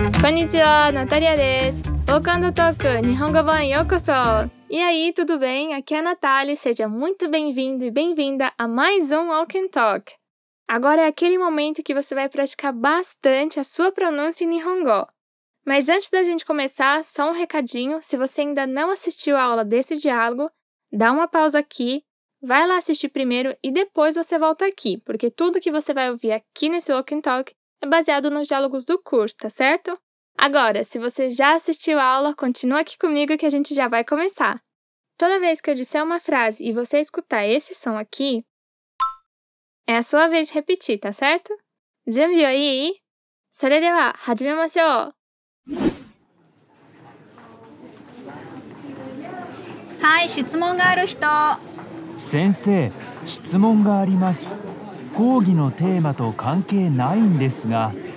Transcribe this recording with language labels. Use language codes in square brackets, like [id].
[ja] んにちは、ナタリアです。 [en] Welcome to Talk, [ja] 日本語版へようこそ。 [pt] E aí, tudo bem? Aqui é a Natália. Seja muito bem-vindo e bem-vinda a mais um Walk and Talk. Agora é aquele momento que você vai praticar bastante a sua pronúncia em Nihongo. Mas antes da gente começar, só um recadinho. Se você ainda não assistiu a aula desse diálogo, dá uma pausa aqui. Vai lá assistir primeiro e depois você volta aqui, porque tudo que você vai ouvir aqui nesse Walk and Talk é baseado nos diálogos do curso, tá certo? Agora, se você já assistiu a aula, continua aqui comigo que a gente já vai começar. Toda vez que eu disser uma frase e você escutar esse som aqui, é a sua vez de repetir, tá certo? [ja] 準備はいい? それでは始めましょう! はい、質問がある人! 先生、質問があります。講義のテーマと関係ないんですが。